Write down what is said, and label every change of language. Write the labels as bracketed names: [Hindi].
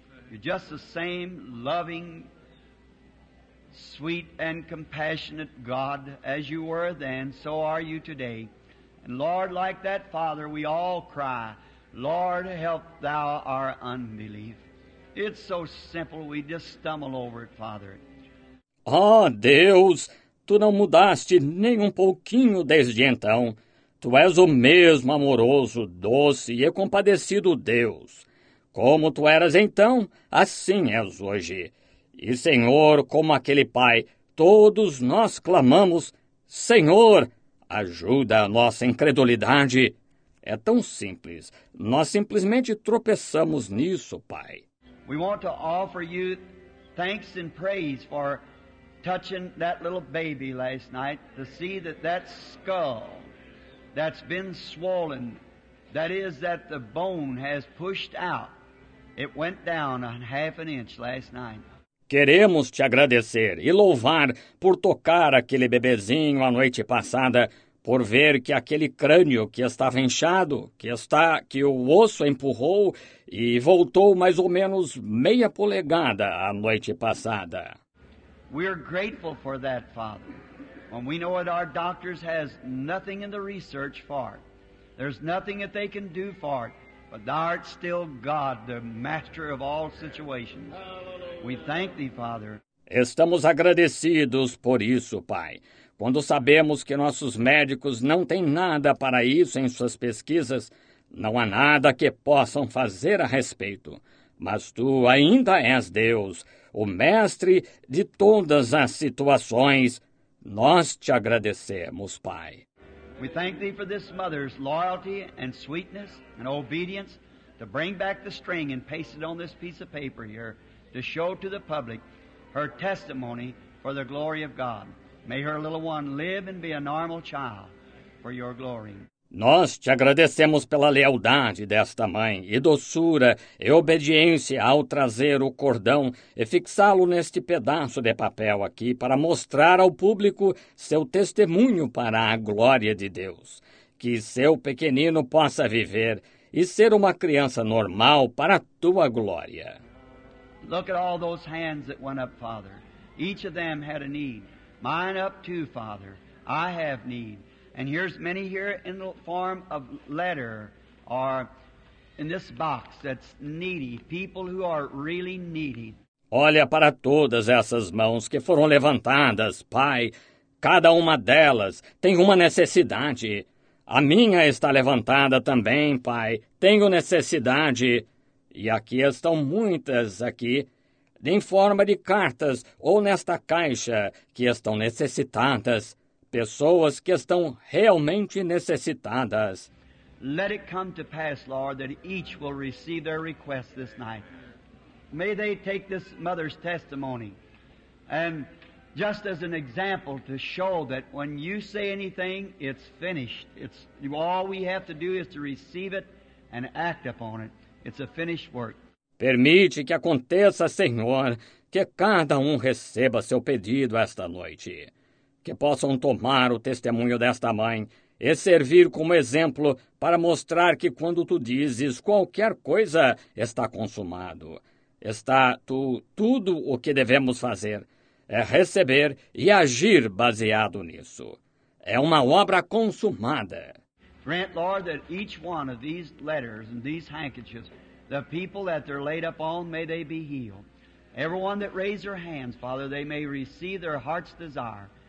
[English] You're just the same loving, sweet, and compassionate God as you were then, so are you today. And Lord, like that Father, we all cry, Lord, help thou our unbelief. It's so simple, we just stumble over it, Father. [Portuguese] Oh, Deus, tu não mudaste nem um pouquinho desde então. Tu és o mesmo amoroso, doce e compadecido Deus. Como tu eras então, assim és hoje. E, Senhor, como aquele Pai, todos nós clamamos, Senhor, ajuda a nossa incredulidade. É tão simples. Nós simplesmente tropeçamos nisso, Pai. [English] We want to offer you thanks and praise for touching that little baby last night to see that that skull that's been swollen, that is that the bone has pushed out. It went down a half an inch last night. [Portuguese] Queremos te agradecer e louvar por tocar aquele bebezinho a noite passada, por ver que aquele crânio que estava inchado, que o osso empurrou e voltou mais ou menos meia polegada a noite passada. [English] We are grateful for that, Father. When we know that our doctors has nothing in the research for it. There's nothing that they can do for it. But thou art still God, the master of all situations. We thank thee, Father. [Portuguese] Estamos agradecidos por isso, Pai. Quando sabemos que nossos médicos não têm nada para isso em suas pesquisas, não há nada que possam fazer a respeito. Mas tu ainda és Deus, o mestre de todas as situações. Nós te agradecemos, Pai. [English] We thank thee for this mother's loyalty and sweetness and obedience to bring back the string and paste it on this piece of paper here to show to the public her testimony for the glory of God. May her little one live and be a normal child for your glory. [Portuguese] Nós te agradecemos pela lealdade desta mãe e doçura e obediência ao trazer o cordão e fixá-lo neste pedaço de papel aqui para mostrar ao público seu testemunho para a glória de Deus. Que seu pequenino possa viver e ser uma criança normal para a tua glória. [English] Look at all those hands that went up, Father. Each of them had a need. Mine up too, Father. I have need. And here's many here in the form of letter or in this box that's needy, people who are really needy. [Portuguese] Olha para todas essas mãos que foram levantadas, Pai. Cada uma delas tem uma necessidade. A minha está levantada também, Pai. Tenho necessidade. E aqui estão muitas aqui, em forma de cartas ou nesta caixa, que estão necessitadas. Pessoas que estão realmente necessitadas. [English] Let it come to pass, Lord, that each will receive their request this night. May they take this mother's testimony. And just as an example to show that when you say anything, it's finished. It's all we have to do is to receive it and act upon it. It's a finished work. [Portuguese] Permite que aconteça, Senhor, que cada um receba seu pedido esta noite. Que possam tomar o testemunho desta mãe e servir como exemplo para mostrar que quando tu dizes qualquer coisa, está consumado. Tudo o que devemos fazer é receber e agir baseado nisso. É uma obra consumada. [English] Grant, Lord, that each one of these letters and these handkerchiefs, the people that they're laid upon, may they be healed. Everyone that raised their hands, Father, they may receive their heart's desire.